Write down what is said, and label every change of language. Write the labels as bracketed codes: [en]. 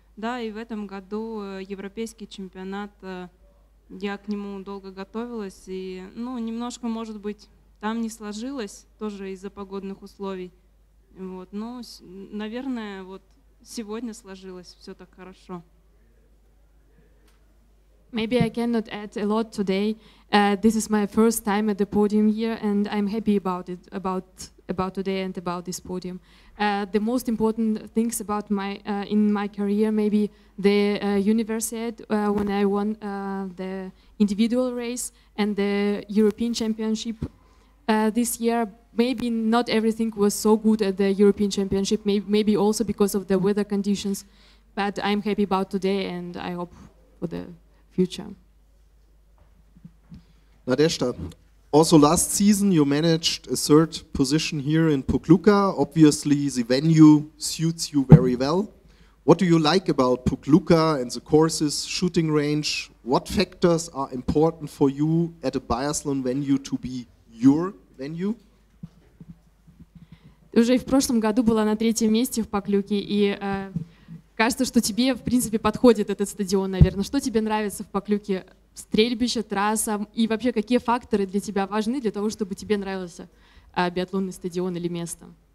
[ru] Да, и в этом году европейский чемпионат, я к нему долго готовилась, и ну, немножко, может быть, там не сложилось, тоже из-за погодных условий. Вот, но, наверное, вот сегодня сложилось все так хорошо. [en] Maybe I cannot add a lot today. This is my first time at the podium here, and I'm happy about it, about today and about this podium. The most important things about my in my career, maybe the Universiade when I won the individual race and the European Championship this year. Maybe not everything was so good at the European Championship. Maybe also because of the weather conditions, but I'm happy about today, and I hope for the future. Nadezhda, also last season you managed a third position here in Pokljuka. Obviously the venue suits you very well. What do you like about Pokljuka and the courses, shooting range? What factors are important for you at a biathlon venue to be your venue? [ru] Уже в прошлом году была на третьем месте в Pokljuce и кажется, что тебе, в принципе, подходит этот стадион, наверное. Что тебе нравится в Pokljuke? Стрельбище, трасса? И вообще, какие факторы для тебя важны для того, чтобы тебе нравился биатлонный стадион или место?